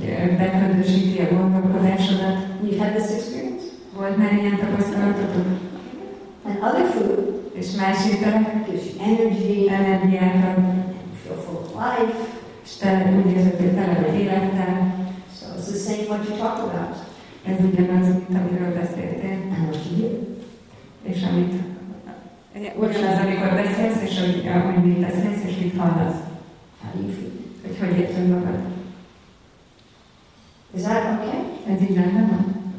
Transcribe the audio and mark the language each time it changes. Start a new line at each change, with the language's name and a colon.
Hungarian: beköndösíti a gondolkodásodat.
English: You've had this experience?
Hungarian: Volt már ilyen tapasztalatotok?
English: And other food.
Hungarian: És másik terek.
English: Gives you energy.
Hungarian: Energiát ad.
English: Feel full of life.
Hungarian: És te úgy érzed, hogy tele vagy élettel.
English: So it's the same what you talk about.
Hungarian: Ez ugyanaz, mint amiről beszéltél.
English: And what you do.
Hungarian: És amit ugyanaz, amikor beszélsz, és ahogy mit beszélsz, és mit hallasz. Hogy hogy érzed magad.
English: Is that okay?
Hungarian: Ez így rendben van?